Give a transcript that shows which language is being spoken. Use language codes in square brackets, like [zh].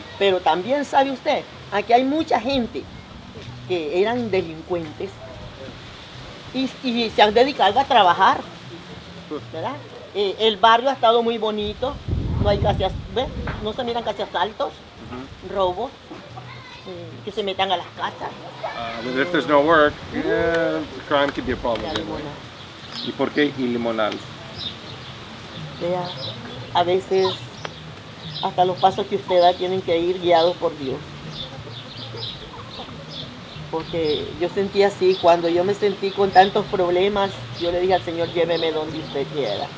[es] Pero también sabe usted, aquí hay mucha gente que eran delincuentes y se han dedicado a trabajar, ¿verdad? El barrio ha estado muy bonito, no hay casi, ¿ves? No se miran casi asaltos, robos, que se metan a las casas. [en] But if there's no work, crime could be a problem. [es] ¿Y por qué y Limonal? Vea, a veces hasta los pasos que usted da tienen que ir guiados por Dios. Porque yo sentí así, cuando yo me sentí con tantos problemas, yo le dije al Señor, lléveme donde usted quiera.